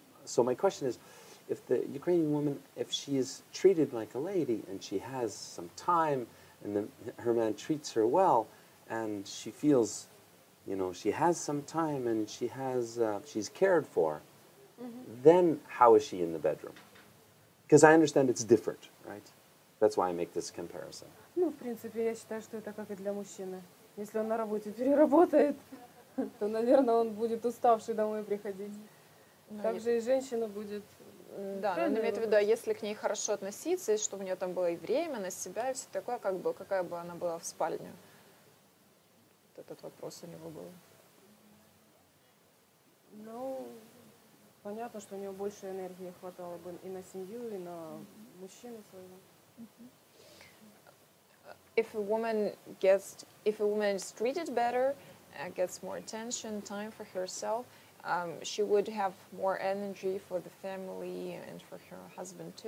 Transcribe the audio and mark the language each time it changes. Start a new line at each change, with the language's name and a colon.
English: So my question is, if the Ukrainian woman, if she is treated like a lady and she has some time and her man treats her well and she feels, you know, she has some time and she has, she's cared for, then how is she in the bedroom? Because I understand it's different, right? That's why I make this comparison.
Russian: Ну, в принципе, я считаю, что это как и для мужчины. Если он на работе переработает, то, наверное, он будет уставший домой приходить. Также и женщина будет... Да, но она имеет в виду, а если к ней хорошо относиться, и чтобы у нее там было и время на себя, и все такое, как бы, какая бы она была в спальне? Вот этот вопрос у него был. Ну, понятно, что у нее больше энергии хватало бы и на семью, и на мужчину своего.
English: If a woman gets, if a woman is treated better, gets more attention, time for herself, she would have more energy for the family and for her husband too.